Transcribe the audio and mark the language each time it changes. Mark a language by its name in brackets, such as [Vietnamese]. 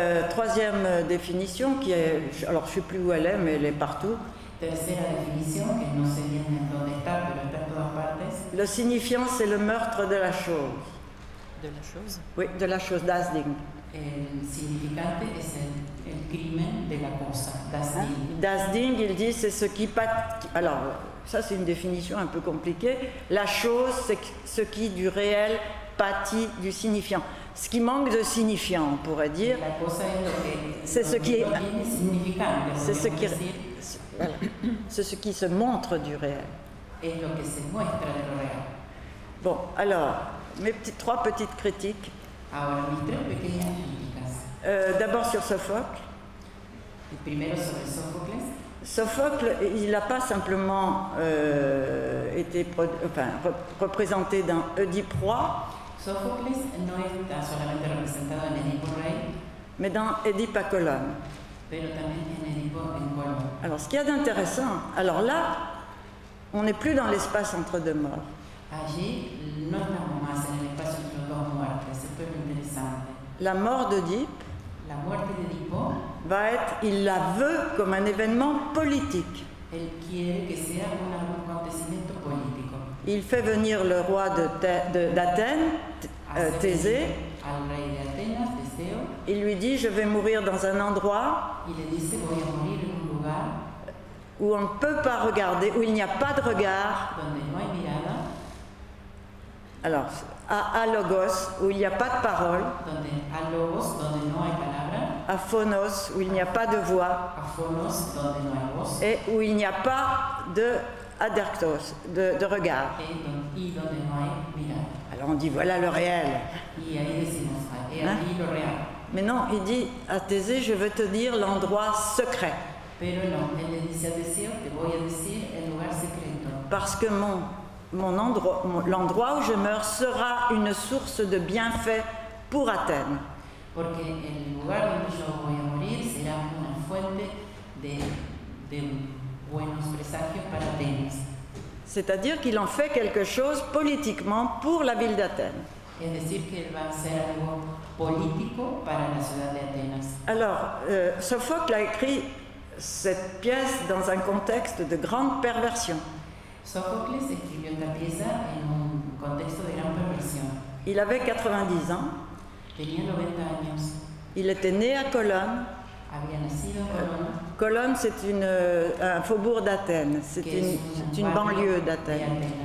[French] Troisième définition, qui est, alors je ne sais plus où elle est, mais elle est partout. [Spanish] Tercera definición, que no sé bien en dónde está, pero está en todas partes. [French] Le signifiant, c'est le meurtre de la chose. De la chose? Oui, de la chose, das Ding. [Spanish] El significante es el crimen de la cosa, das Ding. [French] Das Ding, il dit, c'est ce qui... Alors, ça c'est une définition un peu compliquée. La chose, c'est ce qui du réel pâtit du signifiant. Ce qui manque de signifiant, on pourrait dire. [Spanish] La cosa es lo que, [French] c'est ce qui est significant. C'est ce qui... Voilà. C'est ce qui se montre du réel. [Spanish] Et lo que se muestra de lo real. [French] Bon, alors, mes petites, trois petites critiques. [Spanish] Ahora, mis tres pequeñas críticas. [French] D'abord sur Sophocle. [Spanish] Et primero sobre Sophocles. [French] Sophocle, il n'a pas simplement été représenté dans Œdipe roi. [Spanish] Sophocles no está solamente representado en Édipo rey. [French] Mais dans Édipe à Colonne. [Spanish] Pero también en Édipo en Colón. [French] Alors, ce qu'il y a d'intéressant, alors là, on n'est plus dans l'espace entre deux morts. [Spanish] Allí no estamos más en el espacio entre dos muertes. Esto es muy interesante. [French] La mort d'Œdipe. [Spanish] La muerte de Édipo. [French] Va être, il la veut comme un événement politique. [Spanish] Él quiere que sea un acontecimiento político. [French] Il fait venir le roi d'Athènes, Thésée. [Spanish] Al rey de Atenas, Teseo. [French] Il lui dit, je vais mourir dans un endroit. Il lui dit, [Spanish] voy a morir en un lugar. [French] Où on ne peut pas regarder, où il n'y a pas de regard. [Spanish] Donde no hay mirada. [French] Alors, à Logos, où il n'y a pas de parole. [Spanish] Donde, a Logos, donde no hay palabra. [French] À Phonos, où il n'y a pas de voix. [Spanish] A Phonos, donde no hay voz. [French] Et où il n'y a pas de aderktos, de regard. [Spanish] Et donde no hay mirada. [French] Alors on dit, voilà le réel. [Spanish] Y ahí decimos, y ahí lo real. [French] Mais non, il dit à Thésée, je veux te dire l'endroit secret. [Spanish] Pero no, él le dice a Teseo, te voy a decir el lugar secreto. [French] Parce que l'endroit où je meurs sera une source de bienfaits pour Athènes. [Spanish] Porque el lugar donde yo voy a morir será una fuente de buenos presagios para Atenas. [French] C'est-à-dire qu'il en fait quelque chose politiquement pour la ville d'Athènes. [Spanish] Es decir, que va a ser algo político para la ciudad de Atenas. [French] Alors, Sophocle a écrit cette pièce dans un contexte de grande perversion. [Spanish] Sophocles escribió esta pieza en un contexto de gran perversión. [French] Il avait 90 ans. [Spanish] Tenía 90 años. [French] Il était né à Colonne. [Spanish] Había nacido en Colonne. [French] Colonne, c'est un faubourg d'Athènes, c'est une banlieue d'Athènes.